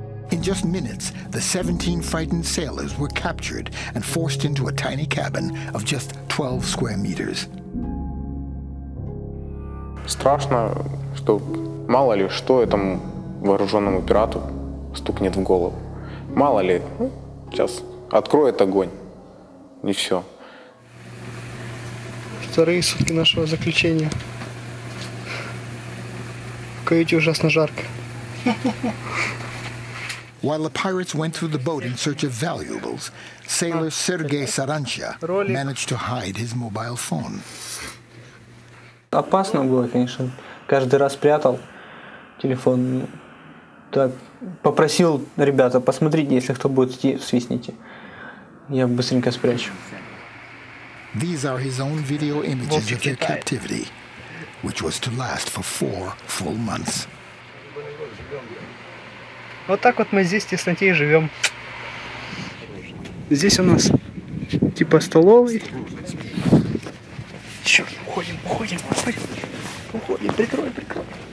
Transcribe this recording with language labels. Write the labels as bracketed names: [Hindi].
[English] In just minutes, the 17 frightened sailors were captured and forced into a tiny cabin of just 12 square meters. [Russian] Страшно, что мало ли что этому вооруженному пирату стукнет в голову. Мало ли, сейчас откроет огонь. И все. Вторые сутки нашего заключения. В каюте ужасно жарко. [English] While the pirates went through the boat in search of valuables, sailor Сергей Саранча managed to hide his mobile phone. [Russian] Опасно было, конечно. Каждый раз прятал телефон. Так, попросил ребята, посмотрите, если кто будет идти, свистните. Я быстренько спрячу. [English] These are his own video images of their captivity, which was to last for 4 full months. [Russian] Вот так вот мы здесь в тесноте и живем. Здесь у нас типа столовый. Черт, уходим, уходим, уходим. Уходим, прикрой, прикрой.